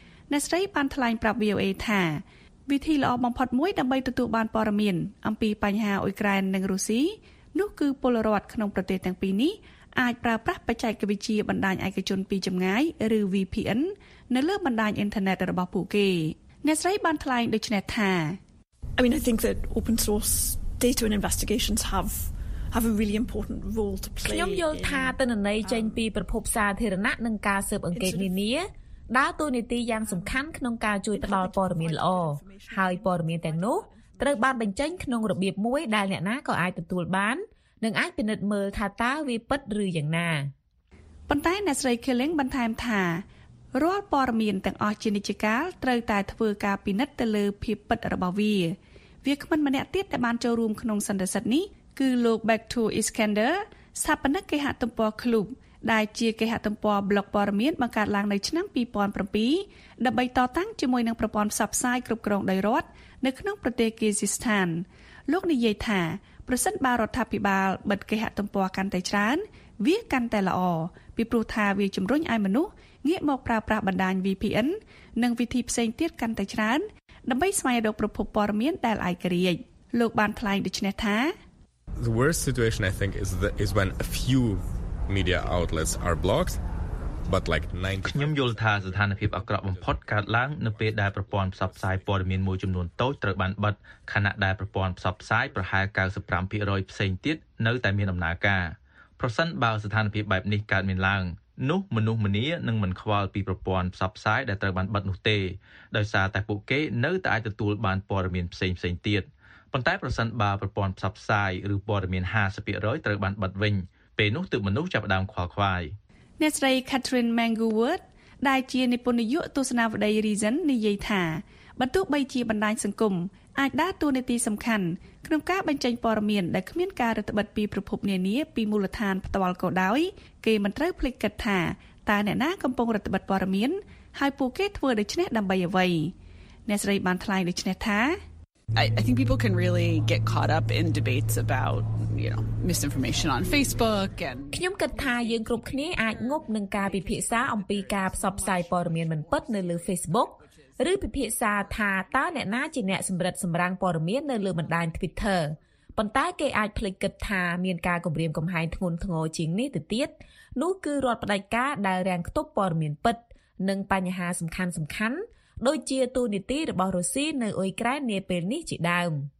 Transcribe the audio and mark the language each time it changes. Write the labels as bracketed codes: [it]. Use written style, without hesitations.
[km] អ្នកស្រីបានថ្លែងប្រាប់ VOA ថាវិធីល្អបំផុតមួយដើម្បីទទួលបានព័ត៌មានអំពីបញ្ហាអ៊ុយក្រែននិងរុស្ស៊ីនោះគឺពលរដ្ឋក្នុងប្រទេសទាំងពីរនេះអាចប្រើប្រាស់បច្ចេកវិទ្យាបណ្ដាញឯកជនពីចម្ងាយឬ VPN នៅលើបណ្ដាញអ៊ីនធឺណិតរបស់ពួកគេអ្នកស្រីបានថ្លែងដូចនេះថា [en] I mean I think that open source data and investigations have a really important role to play [km] ខ្ញុំយល់ថាទិន្នន័យចេញពីប្រភពសាធារណៈនិងការស៊ើបអង្កេតនានាដើរតួនាទីយ៉ាងសំខាន់ក្នុងការជួយផ្តល់ព័ត៌មានល្អហើយព័ត៌មានទាំងនោះត្រូវបានបញ្ចេញក្នុងរបៀបមួយដែលអ្នកណាក៏អាចទទួលបាននិងអាចពិនិត្យមើលថាតើវាពិតឬយ៉ាងណា ប៉ុន្តែអ្នកស្រី Killing បន្ថែមថារាល់ព័ត៌មានទាំងអស់ជានិច្ចកាលត្រូវតែធ្វើការពិនិត្យទៅលើភាពពិតរបស់វាវាគ្មិនម្នាក់ទៀតដែលបានចូលរួមក្នុងសន្និសីទនេះគឺលោក Back to Iskander ស្ថាបនិកគេហទំព័រ Club ដែលជាគេហទំព័រ blog ព័ត៌មានបង្កើតឡើងនៅឆ្នាំ 2007ដើម្បីតតាំងជាមួយនឹងប្រព័ន្ធផ្សព្វផ្សាយគ្រប់គ្រងដោយរដ្ឋនៅក្នុងប្រទេសគីហ្ស៊ីស្ថានលោកនិយាយថាប្រសិនបើរដ្ឋាភិបាលបិទគេហទំព័រកាន់តែច្រើនវាកាន់តែល្អពីព្រោះថាវាជំរុញឲ្យមនុស្សងាកមកប្រើប្រាស់បណ្ដាញ VPN និងវិធីផ្សេងទៀតកាន់តែច្រើនដើម្បីស្វែងរកប្រភពព័ត៌មានដែលឯករាជ្យលោកបានថ្លែងដូចនេះថា [en] The worst situation I think is when a few media outlets are blocked but like 90 [km] ខ្ញុំយល់ថាស្ថានភាពអាក្រក់បំផុតកើតឡើងនៅពេលដែលប្រព័ន្ធផ្សព្វផ្សាយព័ត៌មានមួយចំនួនតូចត្រូវបានបិទខណៈដែលប្រព័ន្ធផ្សព្វផ្សាយប្រហែល 95% ផ្សេងទៀតនៅតែមានដំណើរការប្រសិនបើស្ថានភាពបែបនេះកើតមានឡើងនោះមនុស្សម្នានឹងមិនខ្វល់ពីប្រព័ន្ធផ្សព្វផ្សាយដែលត្រូវបានបិទនោះទេដោយសារតែពួកគេនៅតែអាចទទួលបានព័ត៌មានផ្សេងផ្សេងទៀតប៉ុន្តែប្រសិនបើប្រព័ន្ធផ្សព្វផ្សាយឬព័ត៌មាន 50% ត្រូវបានបិទវិញពេលនោះទើបមនុស្សចាប់ផ្ដើមខ្វល់ខ្វាយ អ្នកស្រី Catherine Mangowood ដែលជានិពន្ធនយោបាយទស្សនវិស័យ Reason និយាយថាបើទោះបីជាបណ្ដាញសង្គមអាចដើរតួនាទីសំខាន់ក្នុងការបញ្ចេញព័ត៌មានដែលគ្មានការរឹតបន្តឹងពីប្រភពនានាពីមូលដ្ឋានផ្ទាល់ក៏ដោយគេមិនត្រូវភ្លេចគិតថាតើអ្នកណាកំពុងរឹតបន្តឹងព័ត៌មានហើយពួកគេធ្វើដូច្នេះដើម្បីអ្វីអ្នកស្រីបានថ្លែងដូច្នេះថា [en] I think people can really get caught up in debates about, you know, misinformation on Facebook and [km] ខ្ញុំគិតថាយើងគ្រប់គ្នាអាចងប់នឹងការពិភាក្សាអំពីការផ្សព្វផ្សាយព័ត៌មានមិនពិតនៅលើ Facebook ឬពិភាក្សាថាតើអ្នកណាជាអ្នកសម្រិតសម្រាំងព័ត៌មាននៅលើបណ្ដាញ Twitter ប៉ុន្តែគេអាចភ្លេចគិតថាមានការគំរាមកំហែងធ្ងន់ធ្ងរជាងនេះទៅទៀតនោះគឺរដ្ឋបដិការដែលរាំងខ្ទប់ព័ត៌មានពិតនិងបញ្ហាសំខាន់សំខាន់ដោយជាទូនីតិរបស់រុស្ស៊ីនៅអ៊ុយក្រែននាពេលនេះជាដើម